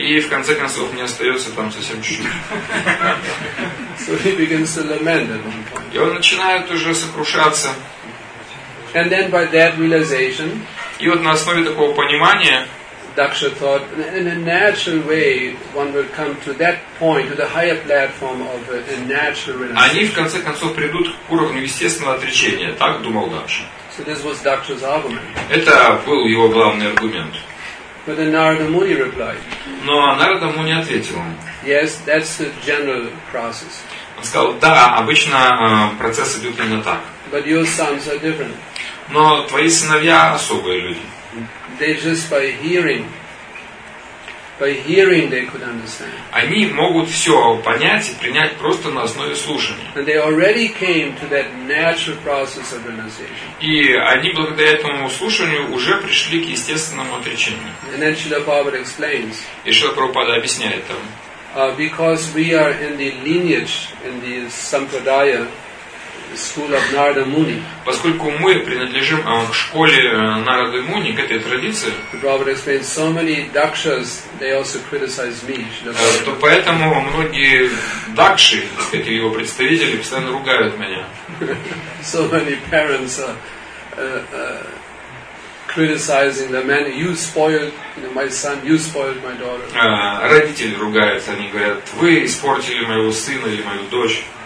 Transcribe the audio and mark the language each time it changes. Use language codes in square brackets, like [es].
[ru] И в конце концов мне остается там совсем чуть-чуть. [en] So he begins to lament at one point. [ru] И он начинает уже сокрушаться. [en] And then by that realization, [ru] и вот на основе такого понимания, [en] Daksha thought, in a natural way, one will come to that point, to the higher platform of a natural realization. [ru] Они в конце концов придут к уровню естественного отречения, так думал Дакша. [en] So this was Daksha's argument. [ru] Это был его главный аргумент. [en] But then Narada Muni replied. [ru] Но Нарада Муни ответил. [en] Yes, that's the general process. [ru] Он сказал, да, обычно процесс идет именно так. [en] But your sons are different. [ru] Но твои сыновья особые люди. [en] They just by hearing they could understand. [ru] Они могут все понять и принять просто на основе слушания. [en] And they already came to that natural process of realization. [ru] И они благодаря этому слушанию уже пришли к естественному отречению. [en] And then Srila Prabhupada explains. [ru] И Шрила Прабхупада объясняет там. [en] Because we are in the lineage in the sampradaya. School of Narada Muni. [ru] Поскольку мы принадлежим к школе Нарады Муни, к этой традиции, [en] Prabhupada explained so many dakshas, they also criticize me. [ru] То поэтому многие дакши, так сказать, его представители, постоянно ругают меня. [en] So many parents are criticizing the man. You spoiled my son. You spoiled my daughter. [ru] Родители ругаются, они говорят, вы испортили моего сына или мою дочь.